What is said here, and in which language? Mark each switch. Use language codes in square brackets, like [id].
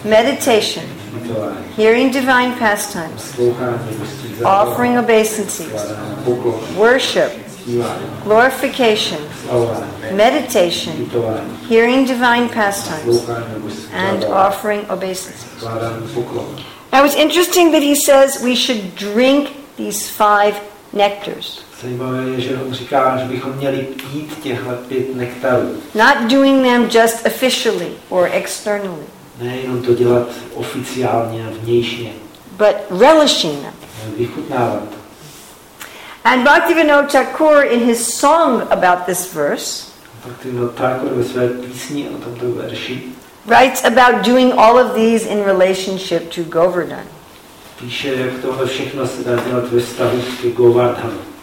[en] meditation, [cs] meditování, [en] hearing divine pastimes, [cs] naslouchání o božských zábavách, [en] offering obeisances, [cs] skládání poklon, [en] worship, [cs] uctívání, [en] glorification, [cs] oslavování, [en] meditation, [cs] meditování, [en] hearing divine pastimes, [cs] naslouchání o božských zábavách, [en] and offering obeisances. Now it's interesting that he says we should drink these five nectars. [cs] Zajímavé je, že on říká, že bychom měli pít těchto pět nektarů. [en] Not doing them just officially or externally. [cs] Ne jenom to dělat oficiálně a vnějšně. [en] But relishing them. [cs] Vychutnávat. [en] And Bhaktivinoda Thakur in his song about this verse. [cs] Bhaktivinoda Thakur ve své písni o tomto verši. [en] Writes about doing all of these in relationship to Govardhan. [cs] Píše, jak tohle všechno se dá dělat ve vztahu k Govardhanu.